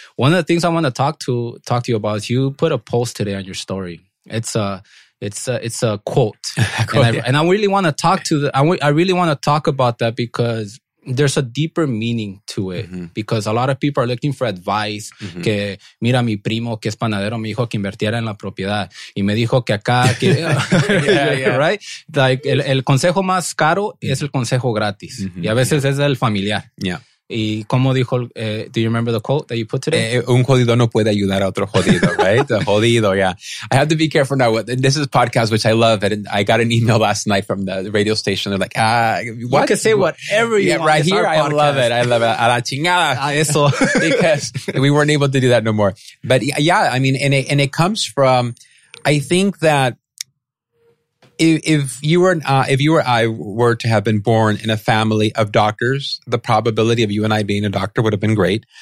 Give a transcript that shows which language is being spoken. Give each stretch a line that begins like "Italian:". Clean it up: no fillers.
English: One of the things I want to talk to you about is you put a post today on your story. It's a quote. I really want to talk about that because there's a deeper meaning to it. Mm-hmm. Because a lot of people are looking for advice. Mm-hmm.
Spanish: Que mira mi primo que es panadero me dijo que invirtiera en la propiedad y me dijo que acá que
English: yeah. Right? Like
Spanish: el consejo más caro es el consejo gratis. Mm-hmm. Y a veces es el familiar.
English: Yeah.
Spanish: Y como dijo,
English: do you remember the quote that you put today?
Spanish: Un jodido no puede ayudar a otro jodido, right?
English: The jodido, yeah. I have to be careful now. This is a podcast, which I love. And I got an email last night from the radio station. They're like, what? You can say whatever you want. Right here, I love it.
Spanish: A la chingada. Eso.
English: Because we weren't able to do that no more. But yeah, I mean, and it comes from, I think that If you were to have been born in a family of doctors, the probability of you and I being a doctor would have been great.